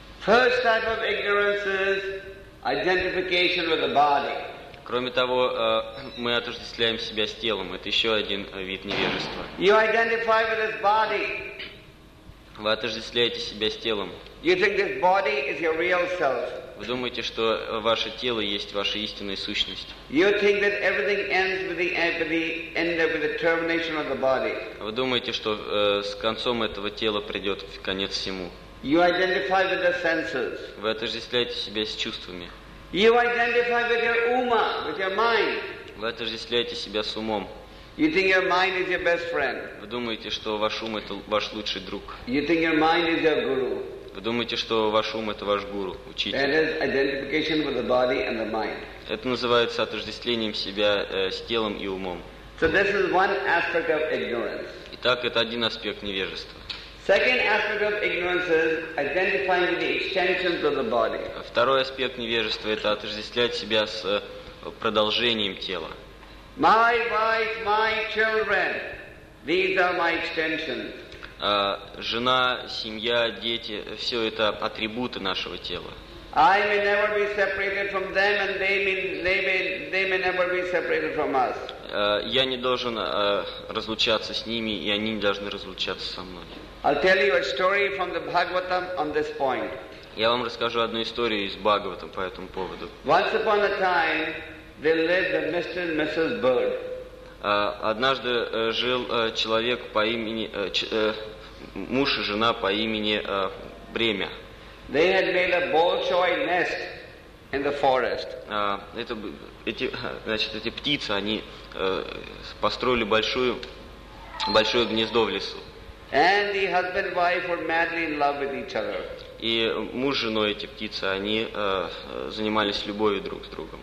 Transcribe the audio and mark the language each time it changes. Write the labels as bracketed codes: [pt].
[en] First type of ignorance is identification with the body. [ru] Кроме того, мы отождествляем себя с телом. Это еще один вид невежества. [en] You identify with this body. [ru] Вы отождествляете себя с телом. [en] You think this body is your real self. [ru] Вы думаете, что ваше тело есть ваша истинная сущность. [en] You think that everything ends with the termination of the body. [ru] Вы думаете, что с концом этого тела придет конец всему. [en] You identify with the senses. [ru] Вы отождествляете себя с чувствами. [en] You identify with your ума, with your mind. [ru] Вы отождествляете себя с умом. [en] You think your mind is your best friend. [ru] Вы думаете, что ваш ум это ваш лучший друг. [en] You think your mind is your guru. [ru] Вы думаете, что ваш ум это ваш гуру, учитель. [en] That is identification with the body and the mind. [ru] Это называется отождествлением себя с телом и умом. [en] So this is one aspect of ignorance. [ru] Итак, это один аспект невежества. [en] Second aspect of ignorance is identifying with the extensions of the body. [ru] Второй аспект невежества — это отождествлять себя с продолжением тела. [en] My wife, my children, these are my extensions. [ru] Жена, семья, дети — все это атрибуты нашего тела. [en] I may never be separated from them, and they may never be separated from us. [ru] Я не должен разлучаться с ними, и они не должны разлучаться со мной. [en] I'll tell you a story from the Bhagavatam on this point. [ru] Я вам расскажу одну историю из Бхагаватам по этому поводу. [en] Once upon a time, they lived a Mr. and Mrs. Bird. [ru] Однажды жил человек по имени муж и жена по имени Бремя. [en] They had made a bolshoi nest in the forest. [ru] Эти птицы, они построили большое гнездо в лесу. [en] And the husband and wife were madly in love with each other. [ru] И муж с женой, эти птицы, они занимались любовью друг с другом.